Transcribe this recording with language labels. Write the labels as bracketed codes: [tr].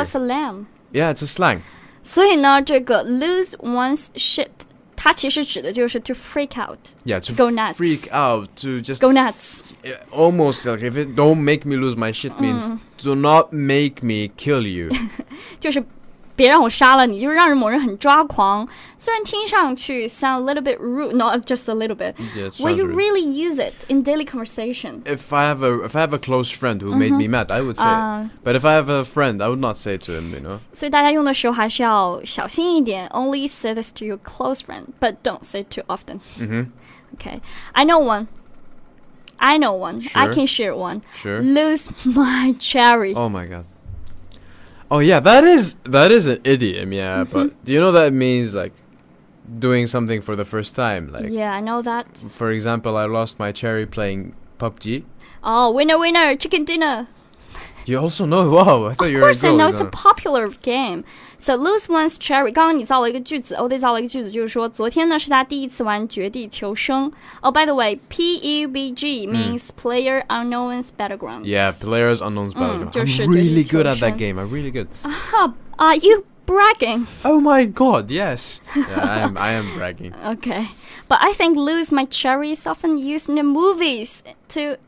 [en] A slam. Yeah, it's a slang. [zh] 所以呢，这个 lose one's shit, 它其实指的就是 [en] to freak out. Yeah, to go nuts. Freak out, to just go nuts. Almost like if it don't make me lose my shit means do not make me kill you. [zh] 就是别让我杀了你，就是让人某人很抓狂。虽然听上去 [en] sound a little bit rude, not just a little bit. Yeah, will you really use it in daily conversation? If I have a close friend who made me mad, I would say. But if I have a friend, I would not say to him, you know. [zh] 所以大家用的时候还是要小心一点。 [en] Only say this to your close friend, but don't say it too often. Okay, I know one. Sure. I can share one. Sure. Lose my cherry. Oh my god. Oh, yeah, that is an idiom, yeah, but do you know that means, like, doing something for the first time? Like, yeah, I know that. For example, I lost my cherry playing PUBG. Oh, winner, winner, chicken dinner. You also know, wow, I thought you were a girl. Of course, I know it's a popular game. So, lose one's cherry. [zh] 刚刚你造了一个句子 ,Ode 造了一个句子就是说昨天呢是他第一次玩绝地求生。 [en] Oh, by the way, PUBG means Player Unknown's Battlegrounds. Yeah, Player Unknown's Battlegrounds. [zh] 就是 [en] I'm really good at that game. I'm really good. Are you bragging? Oh my god, yes. Yeah, I am bragging. Okay. But I think lose my cherry is often used in the movies to...